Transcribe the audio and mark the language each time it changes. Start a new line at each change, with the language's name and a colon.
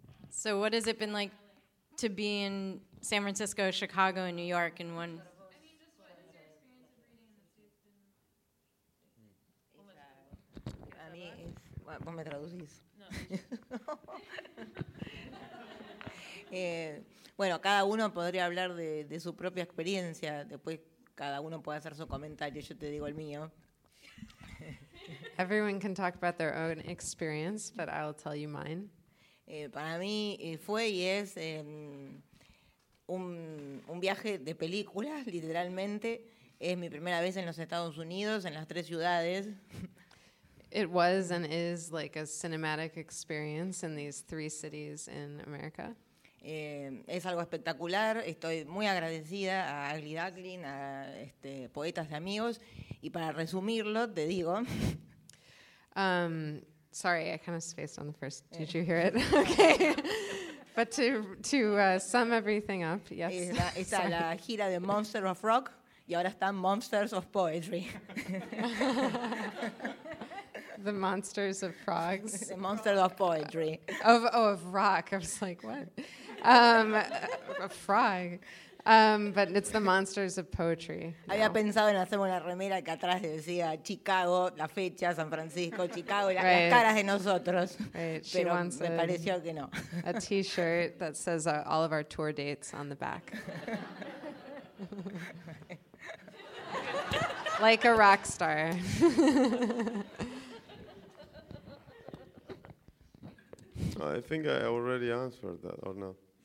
English: So what has it been like to be in San Francisco, Chicago, and New York in one? I mean, just what is your experience of reading in the States?
Spanish: Bueno, cada uno podría hablar de su propia experiencia. Después cada uno puede hacer su comentario. Yo te digo el mío.
English: Everyone can talk about their own experience, but I'll tell you mine.
Spanish: Para mí fue y es un viaje de película, literalmente. Es mi primera vez en los Estados Unidos, en las tres ciudades.
English: It was and is like a cinematic experience in these three cities in America.
Spanish: Es algo espectacular. Estoy muy agradecida a Ugly Duckling, a poetas de amigos. Y para resumirlo, te digo...
English: Sorry, I kind of spaced on the first. Yeah. Did you hear it? Okay. But to sum everything up, yes.
Spanish: Está la gira de Monsters of Rock, y ahora están Monsters of Poetry.
English: The Monsters of Frogs. The Monsters of Poetry. Of rock. I was like, what? A frog. But it's the Monsters of Poetry.
Spanish: Había pensado en hacer una remera que atrás decía Chicago, la fecha, San Francisco, Chicago, las caras de nosotros. Pero me pareció que no.
English: A t-shirt that says all of our tour dates on the back. Like a rock star. I think I already answered that, or no?